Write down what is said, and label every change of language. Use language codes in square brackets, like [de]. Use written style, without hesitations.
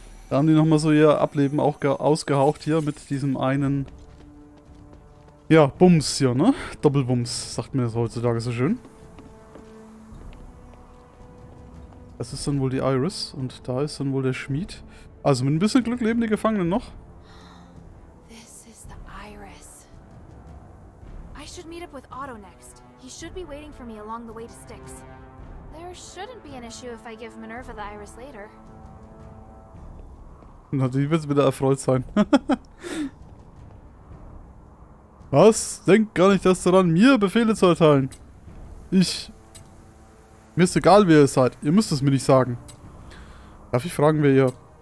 [de] Da haben die nochmal so ihr Ableben auch ausgehaucht hier mit diesem einen. Ja, Bums hier, ne? Doppelbums, sagt mir das heutzutage so schön. Das ist dann wohl die Iris und da ist dann wohl der Schmied. Also mit ein bisschen Glück leben die Gefangenen noch. [en] This is the Iris. I should meet up with Otto next. He should be waiting for me along the way to Styx. There shouldn't be an issue if I give Minerva the Iris later. [de] Na, die wird wieder erfreut sein. Was? Denk gar nicht, dass du daran mir Befehle zu erteilen. Ich... Mir ist egal, wer ihr seid. Ihr müsst es mir nicht sagen. Darf ich fragen, wer ihr...